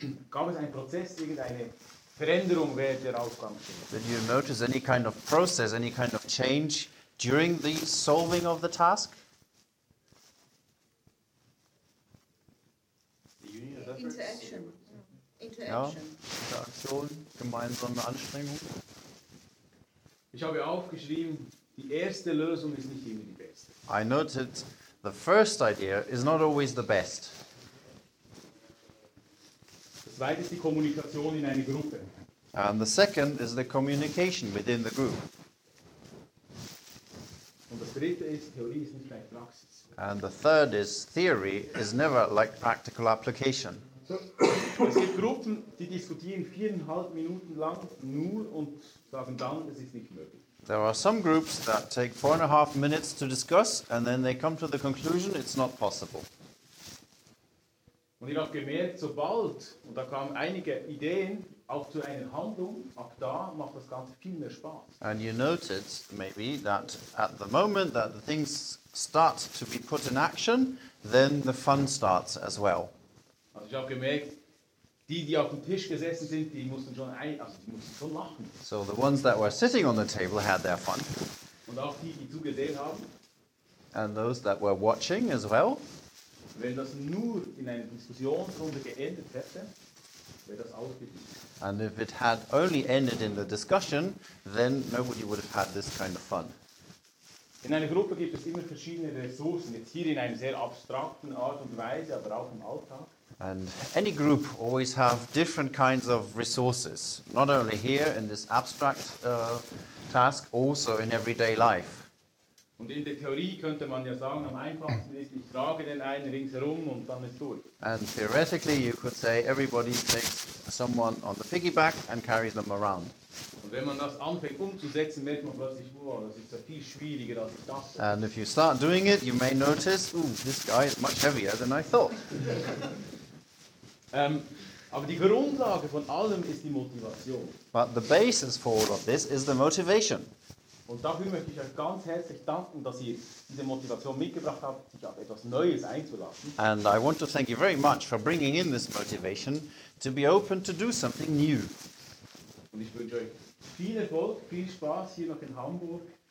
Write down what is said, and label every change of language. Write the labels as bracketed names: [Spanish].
[German] gab es einen Prozess, irgendeine Veränderung während der Aufgabenstellung? [English] Did you notice any kind of process, any kind of change during the solving of the task? Interaction. [German] Ja, gemeinsame Anstrengung. Ich habe aufgeschrieben, die erste Lösung ist nicht immer die beste. [English] I noted the first idea is not always the best. [German] Das zweite ist die Kommunikation in eine Gruppe. [English] And the second is the communication within the group. [German] Und das dritte ist, Theorie ist nicht gleich Praxis. [English] And the third is, theory is never like practical application. [German] Es gibt Gruppen, die diskutieren 4,5 Minuten lang nur und sagen dann, es ist nicht möglich. [English] There are some groups that take 4.5 minutes to discuss and then they come to the conclusion it's not possible. [German] Und ich habe gemerkt, sobald, und da kamen einige Ideen, auch zu einer Handlung, ab da macht das Ganze viel mehr Spaß. [English] And you noted, maybe, that at the moment that the things start to be put in action, then the fun starts as well. [German] Also ich habe gemerkt, die auf dem Tisch gesessen sind, die mussten schon lachen. [English] So the ones that were sitting on the table had their fun. [German] Und auch die zugesehen haben. [English] And those that were watching as well. [German] Wenn das nur in einer Diskussionsrunde geendet hätte, wäre das ausgeblieben. [English] And if it had only ended in the discussion, then nobody would have had this kind of fun. [German] In einer Gruppe gibt es immer verschiedene Ressourcen, jetzt hier in einer sehr abstrakten Art und Weise, aber auch im Alltag. [English] And any group always have different kinds of resources, not only here in this abstract task, also in everyday life. [German] Und in der Theorie könnte man ja sagen, am einfachsten ist, ich trage den einen ringsherum und dann ist durch. [English] And theoretically you could say, everybody takes someone on the piggyback and carries them around. [German] Und wenn man das anfängt umzusetzen, merkt man plötzlich, wow, das ist ja viel schwieriger als ich dachte. [English] And if you start doing it, you may notice, this guy is much heavier than I thought. [German] Aber die Grundlage von allem ist die Motivation. [English] But the basis for all of this is the motivation. [German] Und dafür möchte ich euch ganz herzlich danken, dass ihr diese Motivation mitgebracht habt, sich auf etwas Neues einzulassen. [English] And I want to thank you very much for bringing in this motivation to be open to do something new. [German] Und ich wünsche euch viel Erfolg, viel Spaß hier noch in Hamburg.